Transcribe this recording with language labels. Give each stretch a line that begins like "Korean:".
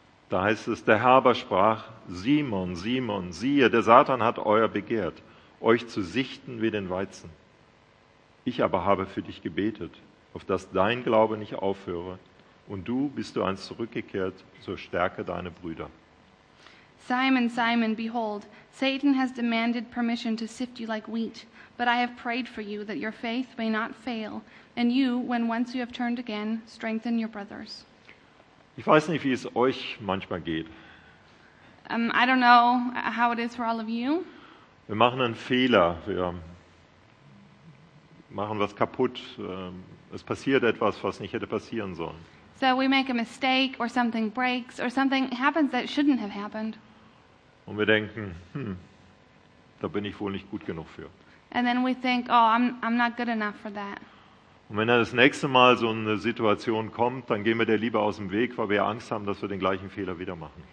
German: Da heißt es, der Herr aber sprach, Simon, Simon, siehe, der Satan hat euer begehrt, euch zu sichten wie den Weizen. Ich aber habe für dich gebetet, auf dass dein Glaube nicht aufhöre, und du bist du einst zurückgekehrt zur Stärke deiner Brüder.
English: Simon, Simon, behold, Satan has demanded permission to sift you like wheat, but I have prayed for you that your faith may not fail, and you, when once you have turned again, strengthen your brothers.
German: Ich weiß nicht, wie es euch manchmal geht.
English: I don't know how it is for all of you.
German: Wir machen einen Fehler, wir machen was kaputt, es passiert etwas, was nicht hätte passieren sollen.
English: So we make a mistake or something breaks or something happens that shouldn't have happened.
German: Und wir denken, da bin ich wohl nicht gut genug für.
English: And then we think, oh, I'm not good enough for that.
German: Und wenn dann das nächste Mal so eine Situation kommt, dann gehen wir der lieber aus dem Weg, weil wir Angst haben, dass wir den gleichen Fehler wieder machen.